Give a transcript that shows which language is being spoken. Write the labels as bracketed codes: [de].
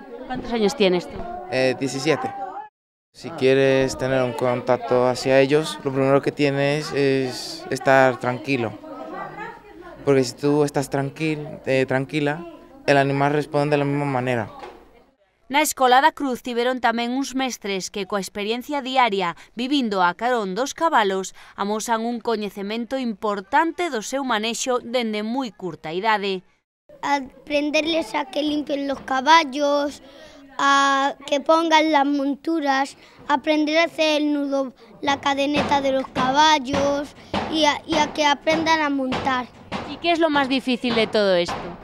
[es] ¿Cuántos años tienes tú? 17. Si quieres tener un contacto hacia ellos, lo primero que tienes es estar tranquilo. Porque si tú estás tranquila, el animal responde de la misma manera. [gl] Na Escola da Cruz tiveron tamén uns mestres que coa experiencia diaria vivindo a carón dos cabalos amosan un coñecemento importante do seu manexo dende moi curta idade. [es] Aprenderles a que limpien los caballos, a que pongan las monturas, aprender a hacer el nudo, la cadeneta de los caballos y a que aprendan a montar. ¿Y qué es lo más difícil de todo esto?